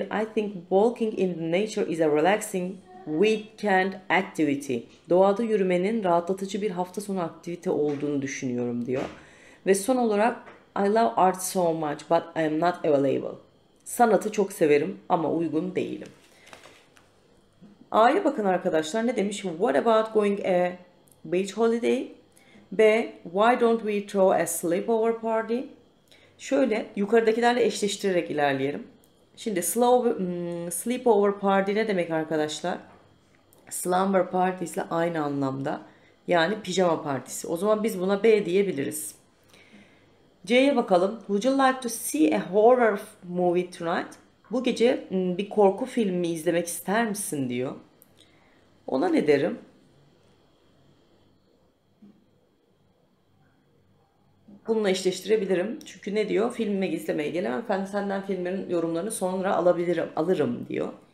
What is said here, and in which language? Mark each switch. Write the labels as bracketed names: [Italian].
[English] I think walking in the nature is a relaxing weekend activity. [Turkish] Doğada yürümenin rahatlatıcı bir hafta sonu aktivite olduğunu düşünüyorum diyor. Ve son olarak [English] I love art so much, but I am not available. [Turkish] Sanatı çok severim ama uygun değilim. A'ya bakın arkadaşlar, ne demiş? [English] What about going a beach holiday? B. Why don't we throw a sleepover party? [Turkish] Şöyle yukarıdakilerle eşleştirerek ilerleyelim. Şimdi sleepover party ne demek arkadaşlar? Slumber party ise aynı anlamda. Yani pijama partisi. O zaman biz buna B diyebiliriz. C'ye bakalım. [English] Would you like to see a horror movie tonight? [Turkish] Bu gece bir korku filmi izlemek ister misin diyor. Ona ne derim? Bununla eşleştirebilirim. Çünkü ne diyor? Filmime izlemeye gelen efendim senden filmlerin yorumlarını sonra alırım diyor.